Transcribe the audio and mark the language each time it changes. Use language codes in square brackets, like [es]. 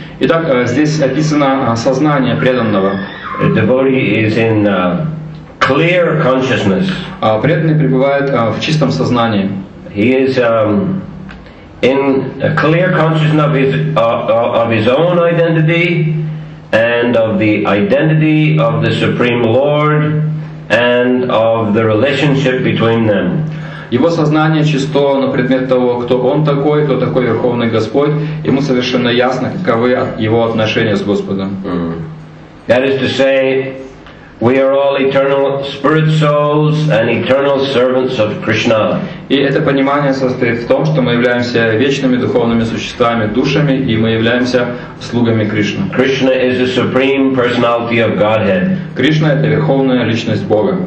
[ru] Итак, здесь описано сознание преданного. [en] Devotee is in clear consciousness. [ru] Преданный пребывает в чистом сознании. [en] He is in a clear consciousness of his own identity and of the identity of the Supreme Lord and of the relationship between them. [ru] Его сознание чисто на предмет того, кто он такой, кто такой Верховный Господь. Ему совершенно ясно, каковы его отношения с Господом. Mm-hmm. [en] That is to say, we are all eternal spirit souls and eternal servants of Krishna. [ru] И это понимание состоит в том, что мы являемся вечными духовными существами, душами, и мы являемся слугами Кришны. [en] Krishna is the supreme personality of Godhead. [ru] Кришна — это верховная личность Бога.